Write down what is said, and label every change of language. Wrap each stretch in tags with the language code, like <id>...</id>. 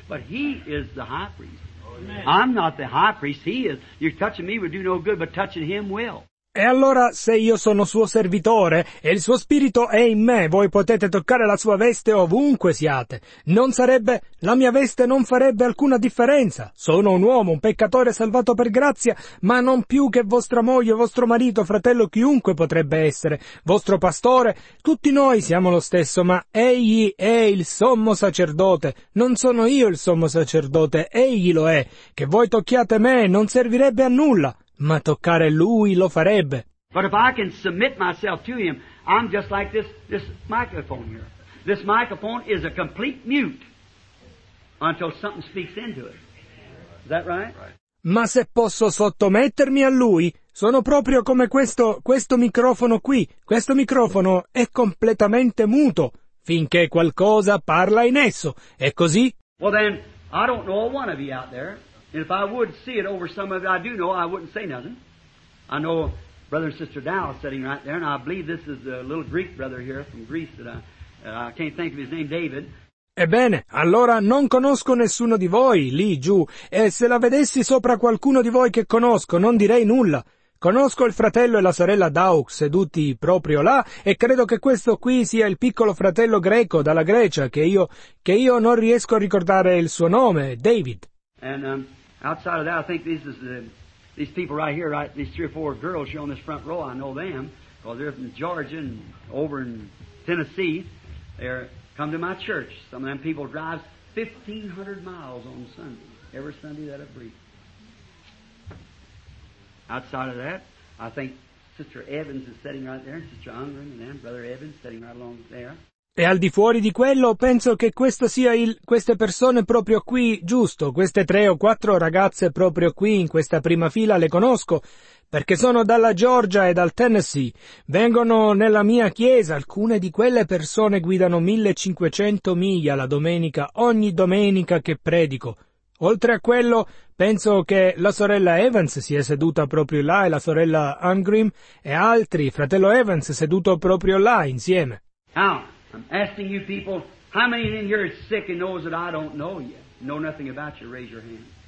<en>But he is the high priest. Amen. I'm not the high priest, he is. You're touching me would do no good, but touching him will.</en> <it>E allora, se io sono suo servitore e il suo spirito è in me, voi potete toccare la sua veste ovunque siate. Non sarebbe, la mia veste non farebbe alcuna differenza. Sono un uomo, un peccatore salvato per grazia, ma non più che vostra moglie, vostro marito, fratello, chiunque potrebbe essere, vostro pastore. Tutti noi siamo lo stesso, ma egli è il sommo sacerdote. Non sono io il sommo sacerdote, egli lo è. Che voi tocchiate me non servirebbe a nulla. Ma toccare lui lo farebbe.</it> <en>But if I can submit myself to him, I'm just like this microphone here. This microphone is a complete mute until something speaks into it. Is that right?</en> <it>Ma se posso sottomettermi a lui, sono proprio come questo microfono qui. Questo microfono è completamente muto finché qualcosa parla in esso. È così?</it> <en>Well then, I don't know one of you out there. And if I would see it over some of it, I do know, I wouldn't say nothing. I know Brother and Sister Dow sitting right there, and I believe this is a little Greek brother here from Greece that I can't think of his name, David.</en> <it>Ebbene, allora non conosco nessuno di voi lì giù, e se la vedessi sopra qualcuno di voi che conosco, non direi nulla. Conosco il fratello e la sorella Daux seduti proprio là, e credo che questo qui sia il piccolo fratello greco dalla Grecia, che io non riesco a ricordare il suo nome, David.</it> <en>And outside of that, I think these people right here, right, these three or four girls here on this front row, I know them, because they're from Georgia and over in Tennessee. They're come to my church. Some of them people drive 1,500 miles on Sunday, every Sunday that I preach. Outside of that, I think Sister Evans is sitting right there, and Sister Ungren and then Brother Evans sitting right along there.</en> <it>E al di fuori di quello, penso che questo sia queste persone proprio qui, giusto, queste tre o quattro ragazze proprio qui in questa prima fila le conosco, perché sono dalla Georgia e dal Tennessee. Vengono nella mia chiesa, alcune di quelle persone guidano 1500 miglia la domenica, ogni domenica che predico. Oltre a quello, penso che la sorella Evans sia seduta proprio là e la sorella Ungrim e altri, fratello Evans seduto proprio là insieme. Ah.</it> <en>I'm asking you people, how many in here is sick and knows that I don't know you, know nothing about you, raise your hand.</en>